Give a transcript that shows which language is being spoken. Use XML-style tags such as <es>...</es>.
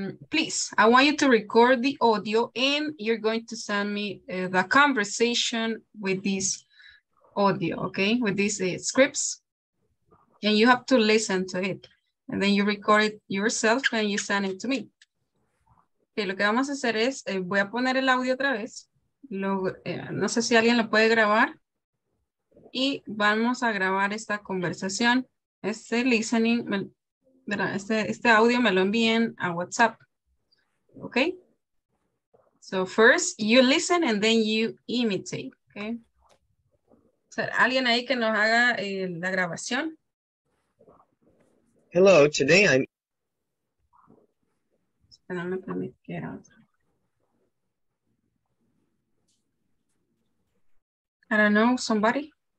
<en>Please, I want you to record the audio and you're going to send me the conversation with this audio, okay? With these scripts. And you have to listen to it. And then you record it yourself and you send it to me.</en> <es>Okay, lo que vamos a hacer es, voy a poner el audio otra vez. No sé si alguien lo puede grabar. Y vamos a grabar esta conversación. Este listening, este audio me lo envíen a WhatsApp. Okay?</es> <en>So first you listen and then you imitate. Okay?</en> <es>O sea, alguien ahí que nos haga la grabación.</es> <en>Hello, today I'm...</en> <es>Espérame, permite que era otro.</es> <en>I don't know, somebody.</en>